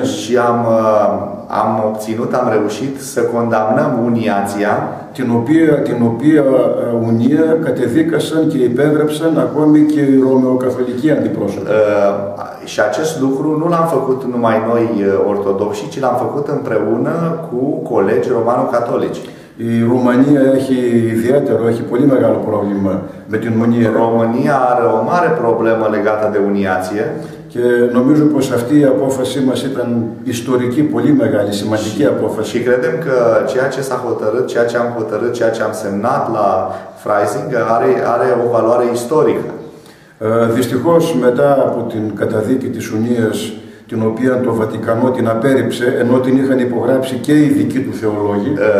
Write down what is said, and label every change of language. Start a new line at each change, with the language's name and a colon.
Romanian: Și am obținut, am reușit să condamnăm uniația,
Greek: την οποία ουνία κατεδίκασαν και υπέγραψαν ακόμη και οι Ρωμαιοκαθολικοί αντιπρόσωποι.
Romanian: Și acest lucru nu l-am făcut numai noi ortodoxi, ci l-am făcut împreună cu colegi romano-catolici.
Greek: Η Ρουμανία έχει ιδιαίτερο, έχει πολύ μεγάλο πρόβλημα με την ουνία.
Romanian: Η Ρουμανία are o mare problemă legată de uniație.
Greek: Και νομίζω πως αυτή η απόφαση μας ήταν ιστορική, πολύ μεγάλη, σημαντική απόφαση. Και
Romanian: credem că ceea ce s-a hotărât, ceea ce am hotărât, ceea ce am semnat la Freising are o valoare istorică.
Greek: Δυστυχώς μετά από την καταδίκη της Ουνίας, την οποία το Βατικανό την απέρριψε, ενώ την είχαν υπογράψει και οι δικοί του θεολόγοι.